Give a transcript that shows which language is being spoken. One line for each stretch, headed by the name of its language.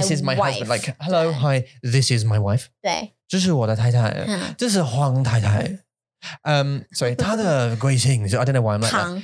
English: This is my husband, like, hello, hi, this is my wife.
Chinese: 对。这是我的太太，这是黄太太。
English: sorry,
Chinese: 她的贵姓,
English: so I don't know why I'm like that.